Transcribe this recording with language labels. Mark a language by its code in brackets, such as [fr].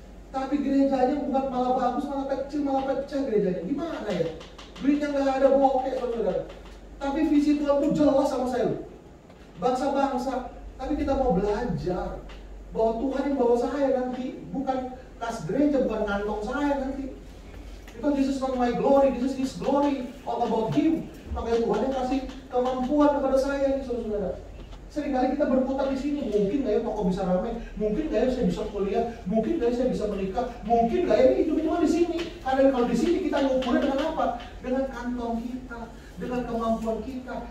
[id] Tapi gerejanya bukan malah bagus, malah kecil, malah pecah gerejanya. Gimana ya? Duitnya gak ada, bokeh, saudara. Tapi visi Tuhan tuh jelas sama saya. Bangsa-bangsa. Tapi kita mau belajar bahwa Tuhan yang bawa saya nanti. Bukan tas gereja, bukan kantong saya nanti. [en] Because this is not my glory, this is His glory. All about Him. [id] Makanya Tuhan yang kasih kemampuan kepada saya ini, saudara. Seringkali kita berputar di sini, mungkin gak ya toko bisa ramai, mungkin gak ya saya bisa kuliah, mungkin gak ya saya bisa menikah, mungkin gak ya ini hidup cuma di sini. Karena kalau di sini kita ngukurnya dengan apa? Dengan kantong kita, dengan kemampuan kita.